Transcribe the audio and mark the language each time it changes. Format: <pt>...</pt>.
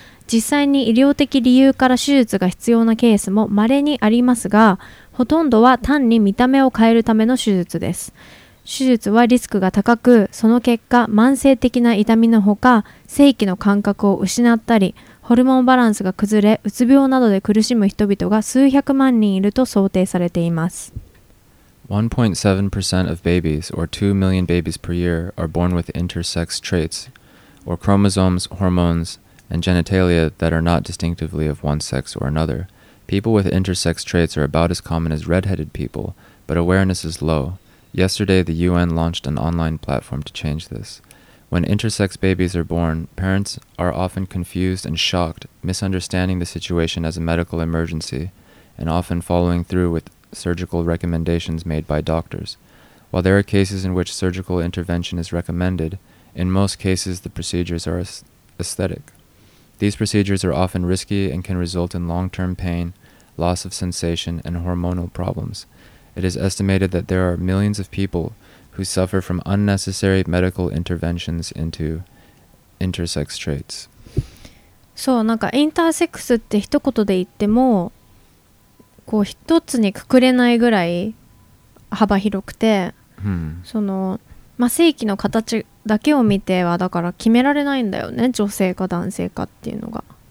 <ja>実際に医療的理由から手術が必要なケースも稀にありますが、ほとんどは単に見た目を変えるための手術です。手術はリスクが高く、その結果慢性的な痛みのほか、性器の感覚を失ったり、ホルモンバランスが崩れ、うつ病などで苦しむ人々が数百万人いると想定されています。</ja> <en>1.7% of babies, or 2 million babies per year, are born with intersex traits, or chromosomes, hormones, and genitalia that are not distinctively of one sex or another. People with intersex traits are about as common as redheaded people, but awareness is low. Yesterday, the UN launched an online platform to change this. When intersex babies are born, parents are often confused and shocked, misunderstanding the situation as a medical emergency, and often following through withsurgical recommendations made by doctors. While there are cases in which surgical intervention is recommended, in most cases the procedures are aesthetic. These procedures are often risky and can result in long-term pain, loss of sensation, and hormonal problems. It is estimated that there are millions of people who suffer from unnecessary medical interventions into intersex traits.</en> <ja>So, なんかインターセックスって一言で言ってもこう一つにくくれないぐらい幅広くて、</ja> <en>hmm.</en> <ja>その、まあ、性器の形だけを見てはだから決められないんだよね女性か男性かっていうのが、</ja>